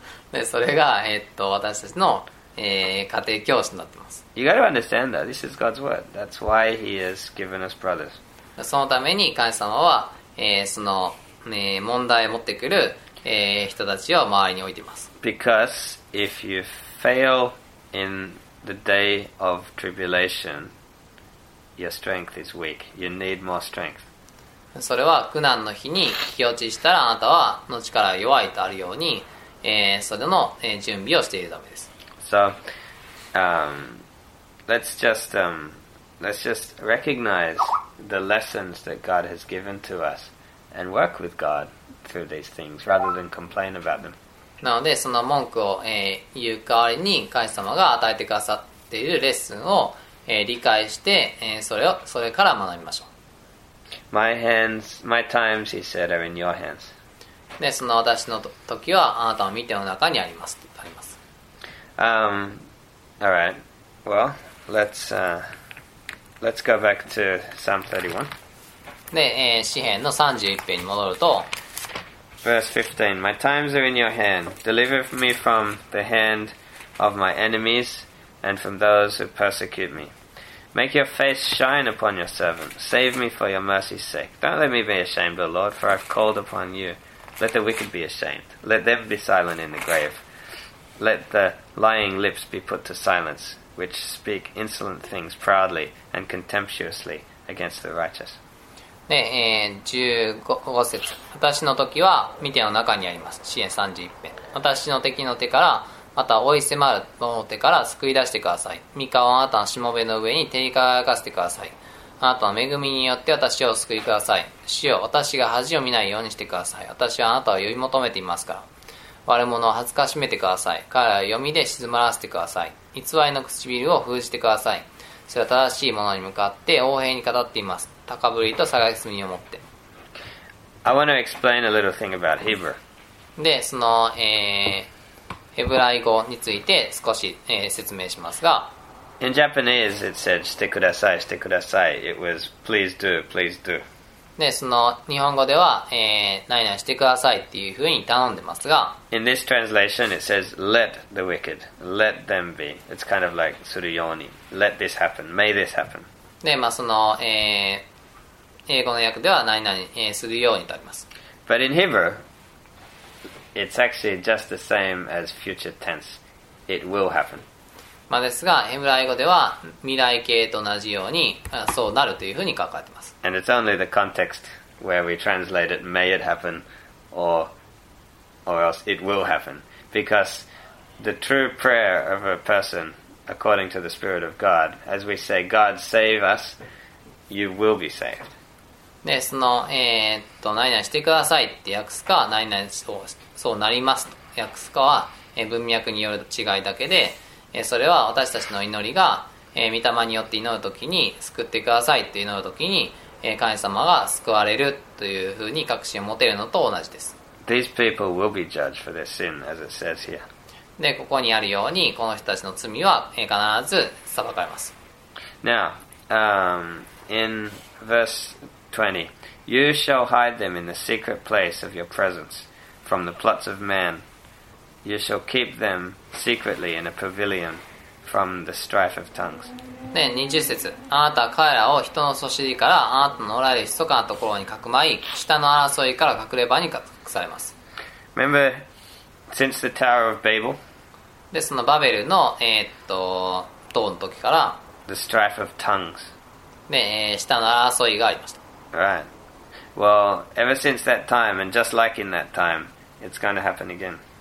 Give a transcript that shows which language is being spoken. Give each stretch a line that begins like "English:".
Japanese: で、それが、私たちの、家庭教師になっています。
English: You got to understand that. This is God's word. That's why he has given us brothers.
Japanese: そのために、神様は、その、問題を持ってくる人たちを周りに置いています。
English: Because if you fail in the day of tribulation, your strength is weak. You need more strength.
Japanese: それは苦難の日に気落ちしたらあなたはの力が弱いとあるように、それの準備をしているためです。
English: So, let's just recognize the lessons that God has given to us and work with God. Through these things, rather than complain about them.
Japanese: なのでその文句を、言う代わりに神様が与えてくださっているレッスンを、理解して、それから学びましょう。
English: My hands, my times, he said, are in your hands.
Japanese: でその私の時はあなたの御手の中にありますってあります。
English: All right. Well, let's go back to Psalm 31.
Japanese: で、詩編の31編に戻ると。
English: Verse 15, My times are in your hand. Deliver me from the hand of my enemies and from those who persecute me. Make your face shine upon your servant. Save me for your mercy's sake. Don't let me be ashamed, O Lord, for I've called upon you. Let the wicked be ashamed. Let them be silent in the grave. Let the lying lips be put to silence, which speak insolent things proudly and contemptuously against the righteous.
Japanese: で15節、私の時は御手の中にあります。詩編31編、私の敵の手から、また追い迫る者の手から救い出してください。御顔をあなたのしもべの上に照り輝かせてください。あなたの恵みによって私を救いください。主よ、私が恥を見ないようにしてください。私はあなたを呼び求めていますから。悪者を恥ずかしめてください。彼らを黄泉で沈まらせてください。偽りの唇を封じてください。それは正しい者に向かって横柄に語っています。高ぶりと探すみを持って。
English: I want to explain a little thing about Hebrew.
Japanese: で、その、ヘブライ語について少し、説明しますが。
English: In Japanese, it said,
Japanese: してください、してください。
English: It was, please do, please do.
Japanese: で、その、日本語では、何々してくださいっていうふうに頼んでますが。
English: In this translation, it says, let the wicked, let them be. It's kind of like,
Japanese: するように。
English: Let this happen, may this happen.
Japanese: でまあ、その、英語の訳では何々するようにとあります。
English: But in Hebrew, it's actually just the same as future tense. It will happen.
Japanese: まあですが、ヘブライ語では未来形と同じようにそうなるというふうに書かれています。
English: And it's only the context where we translate it, may it happen, or else it will happen. Because the true prayer of a person... According to the Spirit of God, as we say, God save us, you will be saved.
Japanese: で、その、何々してくださいって訳すか、何々そうなりますと訳すかは、文脈による違いだけで、それは私たちの祈りが、御霊によって祈るときに、救ってくださいって祈るときに、神様が救われるというふうに確信を持てるのと同じです。
English: These people will be judged for their sin, as it says here.
Japanese: でここにあるようにこの人たちの罪は必ず裁かれます。
English: Now, in verse 20, You shall hide them in the secret place of your presence from the plots of man. You shall keep them secretly in a pavilion from the strife of tongues.
Japanese: ね、20節、あなたは彼らを人の組織からあなたのおられる密かなところにかくまい、舌の争いから隠れ場に隠されます。
English: Remember, since the Tower of Babel,
Japanese: で、そのバベルの、塔の時から、
English: the strife of tongues.
Japanese: ね、舌の争いがありました。
English: Right. Well, ever since that time, and just like in that time, it's going to happen again.